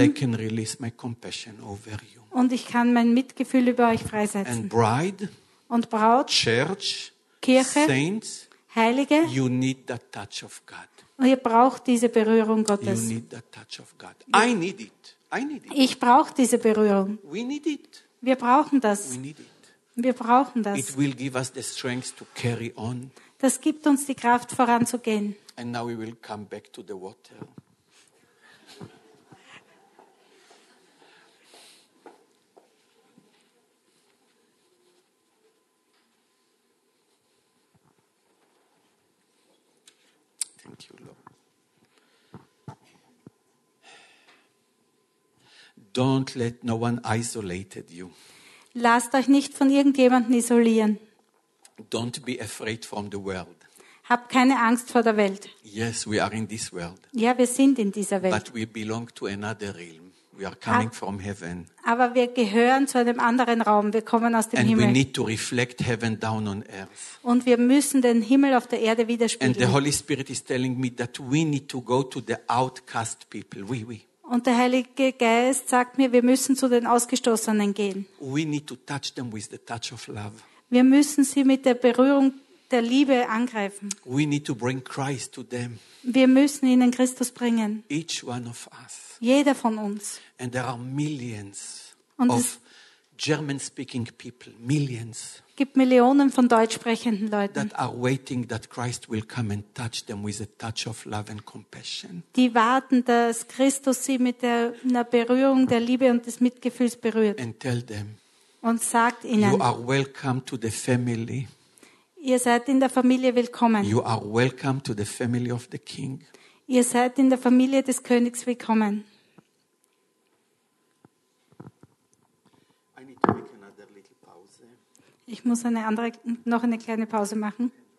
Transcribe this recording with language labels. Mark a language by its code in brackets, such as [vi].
[en] And I can release my compassion over you. [de] Und ich kann mein Mitgefühl über euch freisetzen. [en] And bride. [de] Und Braut. [en] Church. [de] Kirche. [en] Saints. [de] Heilige. [en] You need that touch of God. [de] Und ihr braucht diese Berührung Gottes. [en] You need that touch of God. I need it. I need it. [de] Ich brauche diese Berührung. [en] We need it. [de] Wir brauchen das. [en] We need it. [de] Wir brauchen das. [en] It will give us the strength to carry on. [de] Das gibt uns die Kraft, voranzugehen. [en] And now we will come back to the water. Thank you, Lord. Don't let no one isolate you. [de] Lasst euch nicht von irgendjemandem isolieren. [en] Don't be afraid from the world. [de] Hab keine Angst vor der Welt. [en] Yes, we are in this world. [de] Ja, wir sind in dieser Welt. [en] But we belong to another realm. We are coming from heaven. [de] Aber wir gehören zu einem anderen Raum. Wir kommen aus dem [en] And [de] Himmel. [en] We need to reflect heaven down on earth. [de] Und wir müssen den Himmel auf der Erde widerspiegeln. [en] And the Holy Spirit is telling me that we need to go to the outcast people. [de] Und der Heilige Geist sagt mir, wir müssen zu den Ausgestoßenen gehen. [en] We need to touch them with the touch of love. [de] Wir müssen sie mit der Berührung der Liebe angreifen. [en] We need to bring Christ to them. [de] Wir müssen ihnen Christus bringen. [en] Each one of us. [de] Jeder von uns. [en] And there are millions of German-speaking people. Millions. [de] Gibt Millionen von deutschsprechenden Leuten. [en] That are waiting that Christ will come and touch them with a touch of love and compassion. [de] Die warten, dass Christus sie mit einer Berührung der Liebe und des Mitgefühls berührt. [en] And tell them. [de] Und sagt ihnen. [en] You are welcome to the family. [de] Ihr seid in der Familie willkommen. [en] You are welcome to the family of the King. [de] Ihr seid in der Familie des Königs willkommen. [en] I need to make another little pause. [de] Ich muss noch eine kleine Pause machen.